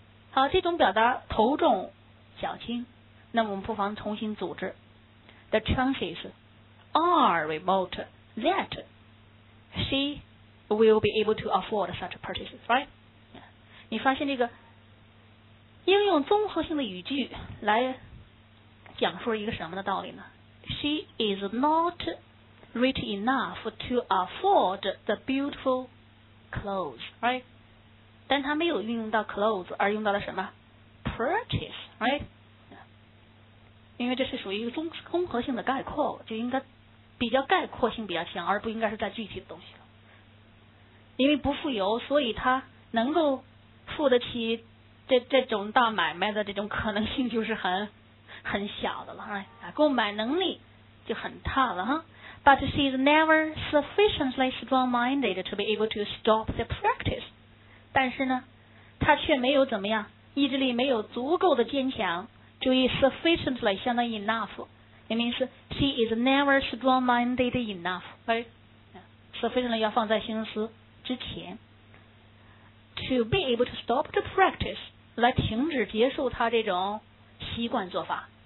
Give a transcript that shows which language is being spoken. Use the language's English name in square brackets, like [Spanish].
[Chinese] 好，这种表达头重脚轻，那我们不妨重新组织。 [English] The chances are remote that she will be able to afford such purchases, right? [Chinese] 你发现这个应用综合性的语句来讲述一个什么的道理呢？ [English] She is not rich enough to afford the beautiful clothes, right? [Chinese] 但他没有运用到 clothes, 而用到了什么？ [English] Purchase, right? [Chinese] 因为这是属于一个综合性的概括，就应该比较概括性比较强，而不应该是带具体的东西了。因为不富有，所以他能够付得起这种大买卖的这种可能性就是很小的了，哎，购买能力就很差了哈。 [English] But she is never sufficiently strong-minded to be able to stop the practice. [Chinese] 但是呢，他却没有怎么样，意志力没有足够的坚强。注意 [English] sufficiently [Chinese] 相当于 [English] enough， [Chinese] 也名是 [English] she is never strong-minded enough， right？ [Chinese] Sufficiently 要放在形容词之前。 [English] To be able to stop the practice， [Chinese] 来停止接受他这种习惯做法。